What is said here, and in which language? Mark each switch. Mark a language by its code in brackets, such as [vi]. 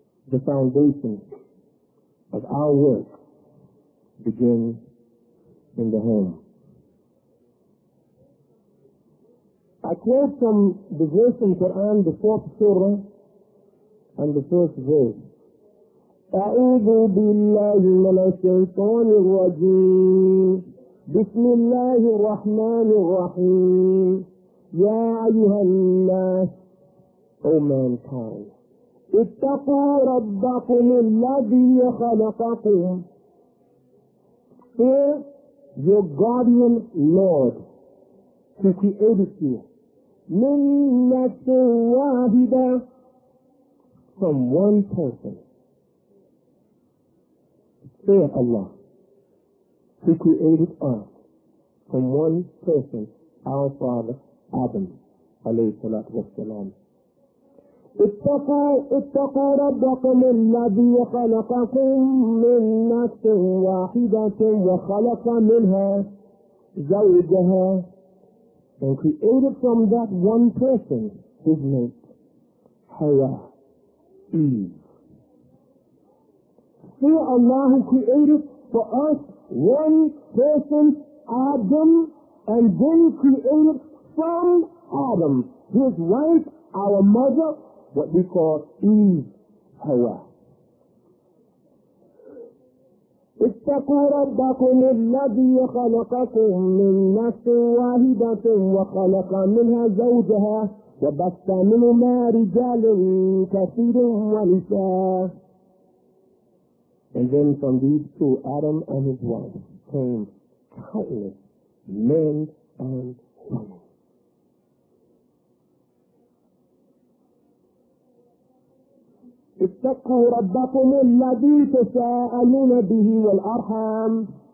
[en] The foundation of our work begins in the home. I quote from the verse in Quran, the fourth surah and the first verse. [ar] أعوذ بالله من الشيطان الرجيم بسم الله الرحمن الرحيم يا أيها الناس أو مانكاين اتقوا ربكم الذي خلقكم [en] Fear your guardian Lord who created you [ar] من نفس واحدة [en] from one person. Fear Allah, who created us from one person, our father, Adam, alayhi salatu wa salam. [ar] اتقوا ربكم الذي خلقكم من نفس واحدة وخلق منها زوجها [en] and created from that one person his mate, Hawa, Eve. Fear Allah who created for us one person, Adam, and then created from Adam, his wife, our mother, what we call Eve, Hawa. [ar] اتقوا ربكم الذي خلقكم من نفس واحدة وخلق منها زوجها وبث منهما رجالا كثيرا ونساء. [en] And then from these two, Adam and his wife, came countless men and women. [ar] اتقوا ربكم الذي تساءلون به والأرحام.